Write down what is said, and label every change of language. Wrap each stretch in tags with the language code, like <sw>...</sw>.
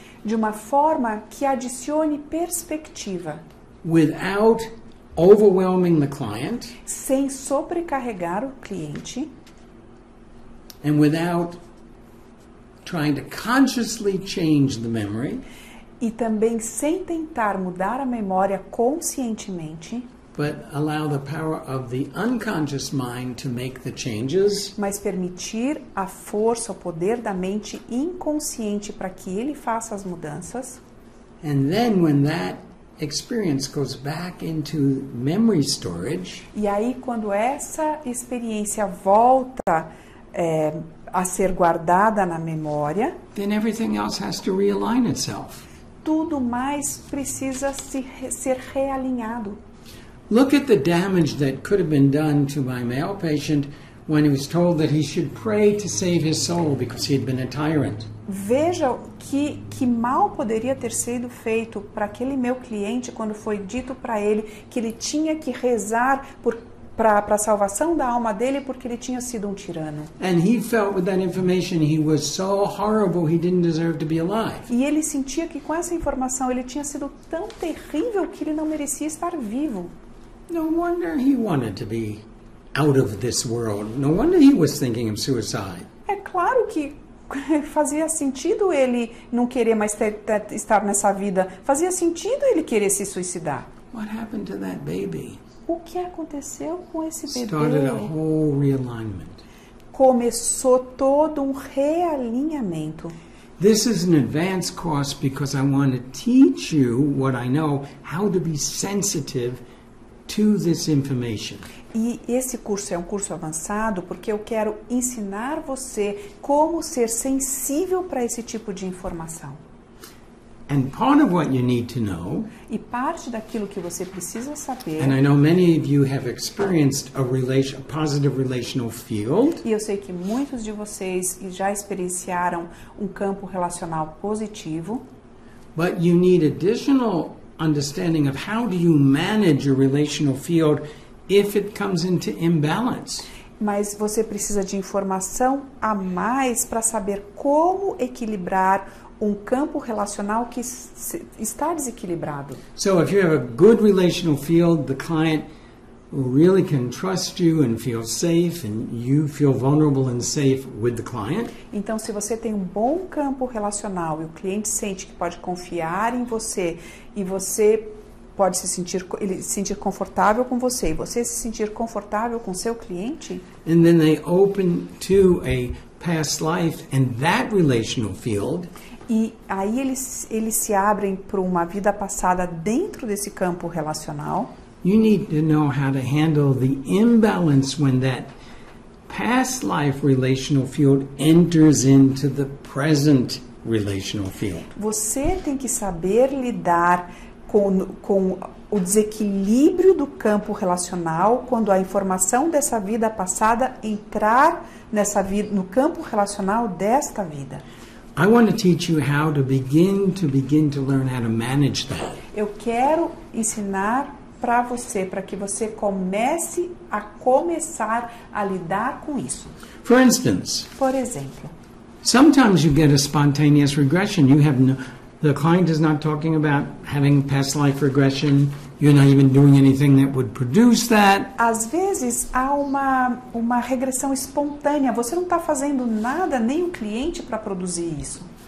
<pt>de uma forma que adicione perspectiva,</pt> <en>without overwhelming the client,</en> <pt>sem sobrecarregar o cliente,</pt> <en>and without trying to consciously change the memory,</en> <pt>e também sem tentar mudar a memória conscientemente,</pt> <en>but allow the power of the unconscious mind to make the changes,</en> <pt>mas permitir a força, o poder da mente inconsciente para que ele faça as mudanças,</pt> <en>and then when that experience goes back into memory storage.</en> <pt>E aí, quando essa experiência volta a ser guardada na memória,</pt> <en>then everything else has to realign itself.</en> <pt>Tudo mais precisa ser realinhado.</pt> <en>Look at the damage that could have been done to my male patient when he was told that he should pray to save his soul because he had been a tyrant.</en> <pt>Veja que mal poderia ter sido feito para aquele meu cliente quando foi dito para ele que ele tinha que rezar para a salvação da alma dele porque ele tinha sido um tirano.</pt> <en>And he felt with that information he was so horrible he didn't deserve to be alive.</en> <pt>E ele sentia que com essa informação ele tinha sido tão terrível que ele não merecia estar vivo.</pt> <en>No wonder he wanted to be out of this world. No wonder he was thinking of suicide.</en> <pt>É claro que fazia sentido ele não querer mais estar nessa vida. Fazia sentido ele querer se suicidar.</pt> <en>What happened to that baby?</en> <pt>O que aconteceu com esse bebê?</pt> <en>Started a whole realignment.</en> <pt>Começou todo um realinhamento.</pt> <en>This is an advanced course because I want to teach you what I know, how to be sensitive to this information.</en> <pt>E esse curso é um curso avançado porque eu quero ensinar você como ser sensível para esse tipo de informação.</pt> <en>And part of what you need to know,</en> <pt>e parte daquilo que você precisa saber.</pt> <en>And I know many of you have experienced a positive relational field.</en> <pt>E eu sei que muitos de vocês já experienciaram um campo relacional positivo.</pt> <en>But you need additional understanding of how do you manage your relational field if it comes into imbalance.</en> <pt>Mas você precisa de informação a mais para saber como equilibrar um campo relacional que está desequilibrado.</pt> <en>So if you have a good relational field, the client really can trust you and feel safe, and you feel vulnerable and safe with the client.</en> <pt>Então, se você tem um bom campo relacional e o cliente sente que pode confiar em você e você pode se sentir, ele se sentir confortável com você e você se sentir confortável com seu cliente.</pt> <en>And then they open to a past life and that relational field.</en> <pt>E aí eles se abrem para uma vida passada dentro desse campo relacional.</pt> <en>You need to know how to handle the imbalance when that past life relational field enters into the present relational field.</en> <pt>Você tem que saber lidar com o desequilíbrio do campo relacional quando a informação dessa vida passada entrar nessa vida, no campo relacional desta vida.</pt> <en>I want to teach you how to begin to learn how to manage that.</en> <pt>Eu quero ensinar para você, para que você comece a começar a lidar com isso.</pt> <en>For instance,</en> <pt>por exemplo,</pt> <en>sometimes you get a spontaneous regression. You have no, the client is not talking about having past life regression. You're not even doing anything that would produce that.</en> <pt>Às vezes há uma regressão espontânea. Você não está fazendo nada, nem o cliente, para produzir isso.</pt>